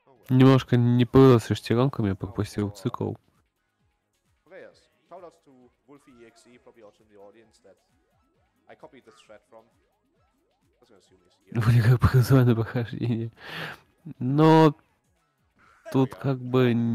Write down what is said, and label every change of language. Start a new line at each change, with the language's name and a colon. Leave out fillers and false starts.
Russian: Немножко не повезло с шестеренками, пропустил цикл.
English: Players, shout out to Wolfie EXE, probably also in the audience that I copied this thread from.
Russian: Вроде как показывай на прохождение. Но тут как бы...